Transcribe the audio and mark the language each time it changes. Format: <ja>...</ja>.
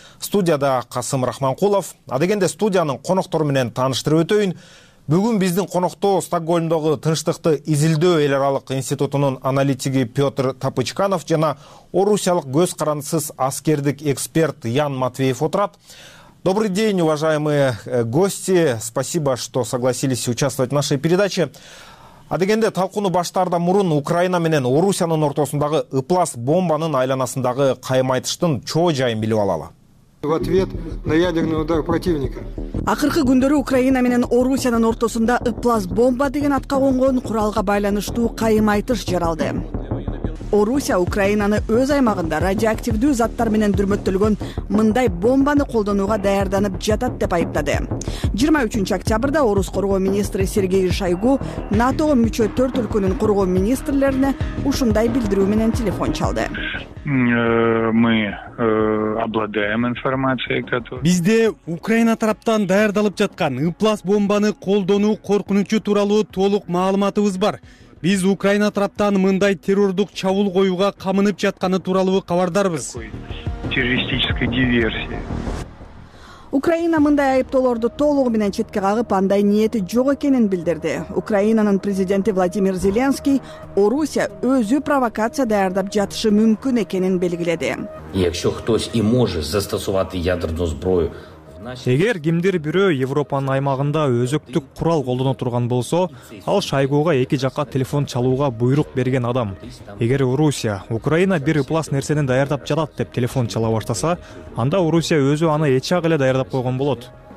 <ky>Студияда Касым Рахманкулов, адегенде студиянын коноктору менен тааныштырып өтөйүн. Бүгүн биздин конокто Стокгольмдогу тынчтыкты изилдөө эл аралык институтунун аналитиги Петр Тапычканов жана орусиялык көз карандысыз аскердик эксперт Ян Матвеев отурат.</ky> <ru>Добрый день, уважаемые гости. Спасибо, что согласились участвовать в нашей передаче.</ru> <ky>Адегенде талкууну баштарда мурун Украина менен Орусиянын ортосундагы ыплас бомбанын айланасындагы каймайтыштын чоо жайын билип алалы.</ky> <ru>В ответ на ядерный удар противника.</ru> <ky>Акыркы күндөрү Украина менен Орусиянын ортосунда ыплас бомба деген атка конгон куралга байланыштуу каймайтыш жаралды. Орусия Украинаны өз аймагында радиоактивдүү заттар менен дүрмөттөлгөн мындай бомбаны колдонууга даярданып жатат деп айыптады. 23 октябрда Орус коргоо министри Сергей Шойгу НАТОго мүчө 4 өлкөнүн коргоо министрлерине ушундай билдирүү менен телефон чалды.</ky> <ru>Мы обладаем информацией, которая</ru> <ky>бизде Украина тараптан даярдалып жаткан ыплас бомбаны колдонуу коркунучу тууралуу толук маалыматыбыз бар. Биз Украина тараптан мындай террордук чабуул коюуга камынып жатканы тууралуу кабардарбыз.</ky> <ru>Террористическая диверсия.</ru> <ky>Украина мындай айыптоолорду толугу менен четке кагып, андай ниети жок экенин билдирди. Украинанын президенти Владимир Зеленский Орусия өзү провокация даярдап жатышы мүмкүн экенин белгиледи.</ky> <ru>Если кто-то и может</ru> <uk>застосовать</uk> <ru>ядерную</ru> <uk>зброю.</uk> <ky>Эгер кимдир бирөө Европанын аймагында өзөктүк курал колдоно турган болсо, ал Шойгуга эки жакка телефон чалууга буйрук берген адам. Эгер Орусия Украина бир ыплас нерсени даярдап жатат деп телефон чала баштаса, анда Орусия өзү аны эч ак эле даярдап койгон болот.</ky>